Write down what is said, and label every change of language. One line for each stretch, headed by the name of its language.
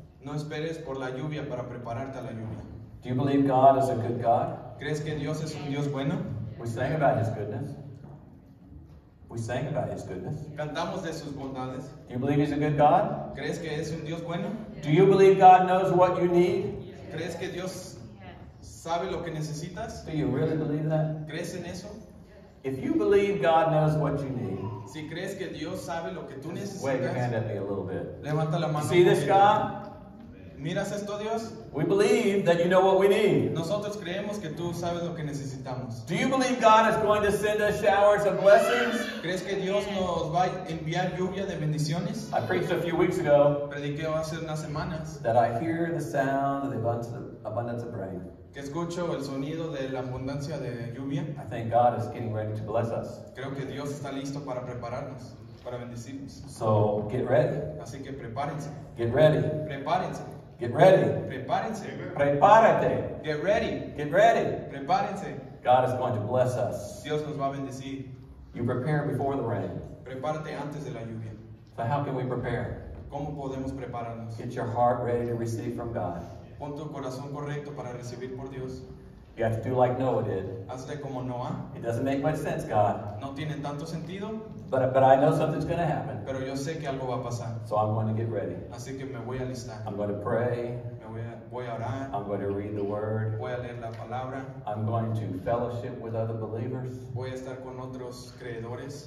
Spanish: No esperes por la lluvia para prepararte a la lluvia.
English: Do you believe God is a good God?
Spanish: ¿Crees que Dios es un Dios bueno?
English: We sang about His goodness. We sang about His goodness.
Spanish: Cantamos de sus bondades.
English: Do you believe He's a good God?
Spanish: ¿Crees que es un Dios bueno?
English: Do you believe God knows what you need?
Spanish: ¿Crees que Dios sabe lo que necesitas?
English: Do you really believe that?
Spanish: ¿Crees en eso?
English: If you believe God knows what you need,
Spanish: si crees que Dios sabe lo que tú necesitas,
English: wave your hand at me a little bit.
Spanish: Levanta la mano.
English: You see this, God?
Spanish: ¿Miras esto, Dios?
English: We believe that you know what we need.
Spanish: Nosotros creemos que tú sabes lo que necesitamos.
English: Do you believe God is going to send us showers of blessings?
Spanish: ¿Crees que Dios nos va a enviar lluvia de bendiciones?
English: I preached a few weeks ago.
Spanish: Prediqué hace unas semanas.
English: That I hear the sound of the abundance of rain.
Spanish: Que escucho el sonido de la abundancia de lluvia.
English: I think God is getting ready to bless us.
Spanish: Creo que Dios está listo para prepararnos. Para bendecirnos.
English: So get ready.
Spanish: Así que prepárense.
English: Get ready.
Spanish: Prepárense.
English: Get ready.
Spanish: Prepárense. Prepárate.
English: Get ready. Get ready.
Spanish: Prepárense.
English: God is going to bless us.
Spanish: Dios nos va a bendecir.
English: You prepare before the rain.
Spanish: Prepárate antes de la lluvia.
English: So how can we prepare?
Spanish: ¿Cómo podemos prepararnos?
English: Get your heart ready to receive from God.
Spanish: Pon tu corazón correcto para recibir por Dios.
English: You have to do like Noah did.
Spanish: Hazle como Noah.
English: It doesn't make much sense, God.
Spanish: No tiene tanto sentido.
English: But I know something's going to happen.
Spanish: Pero yo sé que algo va a pasar.
English: So I'm going to get ready.
Spanish: Así que me voy a listar.
English: I'm going to pray.
Spanish: Voy a orar.
English: I'm going to read the word.
Spanish: Voy a leer la palabra.
English: I'm going to fellowship with other believers.
Spanish: Voy a estar con otros creedores.